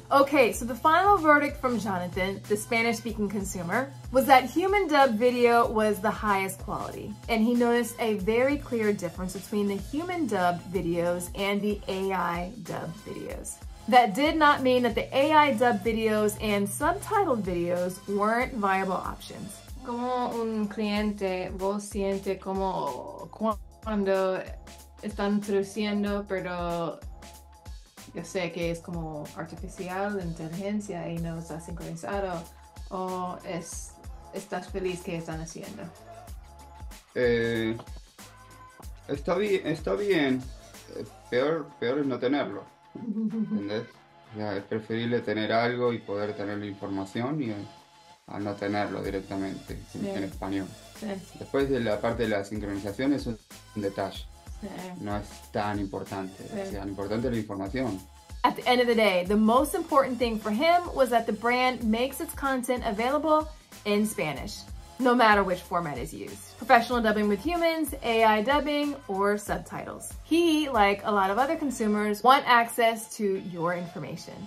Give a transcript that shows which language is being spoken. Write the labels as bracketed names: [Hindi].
[English] Okay, so the final verdict from Jonathan, the Spanish-speaking consumer, was that human dub video was the highest quality, and he noticed a very clear difference between the human dub videos and the AI dub videos. That did not mean that the AI dub videos and subtitled videos weren't viable options. [Spanish] Como un cliente, vos siente como cuando están traduciendo, pero yo sé que es como artificial inteligencia y no está sincronizado. ¿O estás feliz que están haciendo? Está bien. Peor es no tenerlo. ¿Entendés? O sea, es preferible tener algo y poder tener la información a no tenerlo directamente en español. Sí. Después de la parte de la sincronización es un detalle. Sí. No es tan importante. Sí. Es tan importante la información. [English] At the end of the day, the most important thing for him was that the brand makes its content available in Spanish, no matter which format is used. Professional dubbing with humans, AI dubbing, or subtitles. He, like a lot of other consumers, want access to your information.